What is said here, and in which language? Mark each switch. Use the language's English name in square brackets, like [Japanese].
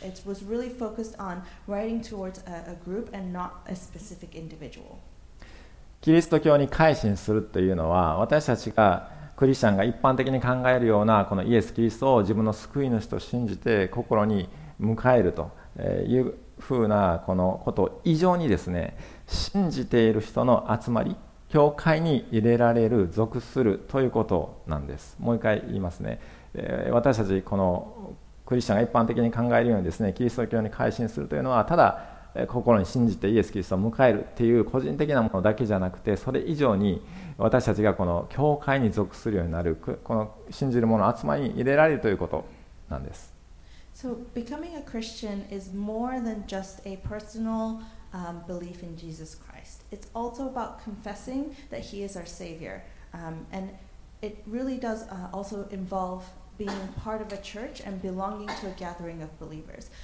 [English] It was really focused on writing towards a group and not a specific individual. [Japanese] キリスト教に改心するというのは、私たちがクリスチャンが一般的に考えるようなこのイエス・キリストを自分の救い主と信じて心に迎えるというふうなこのこと以上にですね、信じている人の集まり、教会に入れられる、属するということなんです。もう一回言いますね。私たちこのクリスチャンが一般的に考えるようにですね、キリスト教に改心するというのは、ただ心に信じてイエス・キリストを迎えるっていう個人的なものだけじゃなくて、それ以上に私たちがこの教会に属するようになる、この信じる者の集まりに入れられるということなんです。 [English] So becoming a Christian is more than just a personal belief in Jesus Christ. It's also about confessing that He is our Savior. And it really does also involve being part of a church and belonging to a gathering of believers.